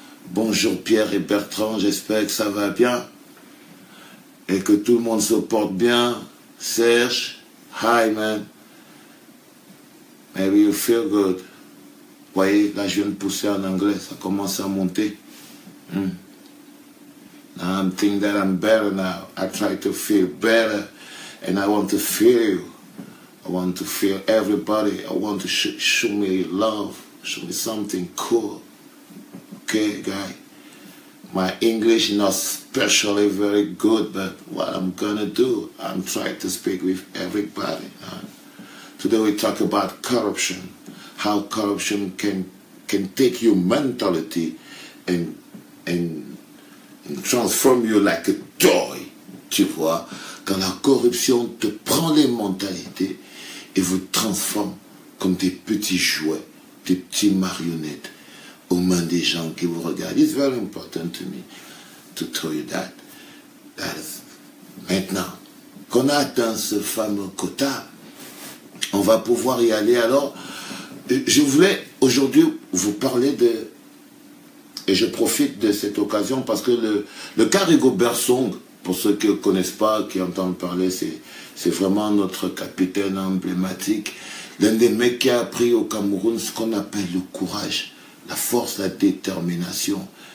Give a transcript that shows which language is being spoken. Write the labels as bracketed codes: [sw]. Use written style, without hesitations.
[fr] Bonjour Pierre et Bertrand, j'espère que ça va bien et que tout le monde se porte bien. [en] Serge, hi man. Maybe you feel good. [fr] Vous voyez, là je viens de pousser en anglais, ça commence à monter. [en] Now I'm thinking that I'm better now. I try to feel better and I want to feel you. I want to feel everybody. I want to show me love. Show me something cool. Okay, guy. My English not specially very good, but what I'm gonna do, I'm trying to speak with everybody. Today we talk about corruption, how corruption can take your mentality and transform you like a toy, [fr] tu vois. Quand la corruption te prend les mentalités et vous transforme comme des petits jouets, des petites marionnettes aux mains des gens qui vous regardent. [en] It's very important to me to tell you that. That is... [fr] Maintenant, qu'on a atteint ce fameux quota, on va pouvoir y aller. Alors, je voulais aujourd'hui vous parler de... Et je profite de cette occasion parce que le Carigo Bersong, pour ceux qui ne connaissent pas, qui entendent parler, c'est vraiment notre capitaine emblématique, l'un des mecs qui a appris au Cameroun ce qu'on appelle le courage, la force, la détermination.